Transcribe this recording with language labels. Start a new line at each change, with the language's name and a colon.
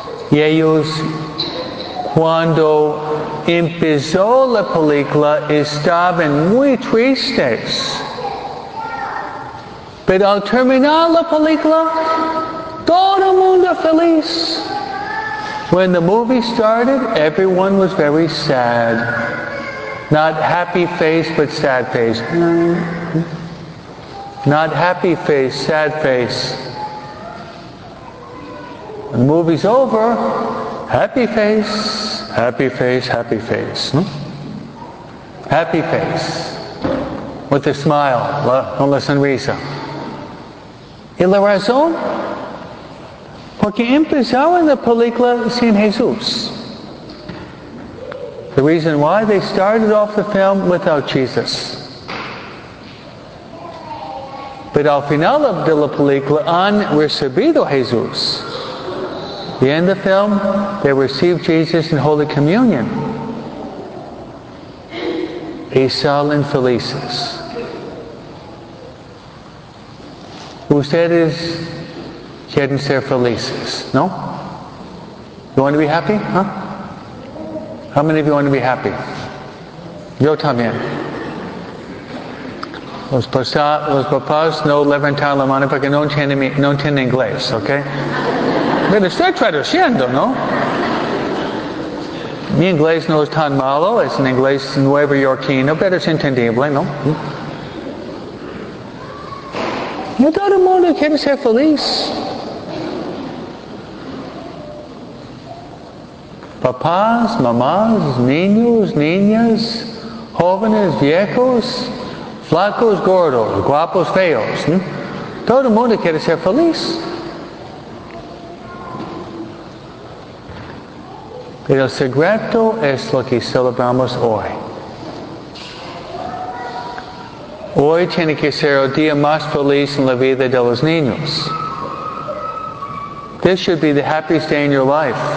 Spanish: Y ellos, cuando empezó la película, estaban muy tristes. Pero al terminar la película, todo el mundo feliz.
English: When the movie started, everyone was very sad. Not happy face, but sad face. Not happy face, sad face. When the movie's over, happy face, happy face, happy face. Happy face. With a smile,
Spanish: con la sonrisa. ¿Y la razón? Porque empezaron la película sin Jesús.
English: The reason why they started off the film without Jesus.
Spanish: Pero al final de la película han recibido Jesús.
English: The end of the film, they received Jesus in Holy Communion.
Spanish: Y salen felices. Ustedes quieren ser felices, no?
English: You want to be happy, huh? How many of you want to be happy?
Spanish: Yo también. Los papás no levantan la mano porque no tienen inglés, ok? Pero estoy traduciendo, no? Mi inglés no es tan malo, es un inglés nuevo yorkino, pero es entendible, no? Yo todo el mundo quiere ser feliz. Papás, mamás, niños, niñas, jóvenes, viejos, flacos, gordos, guapos, feos. ¿Mm? Todo el mundo quiere ser feliz. Y el secreto es lo que celebramos hoy. Hoy tiene que ser el día más feliz en la vida de los niños.
English: This should be the happiest day in your life.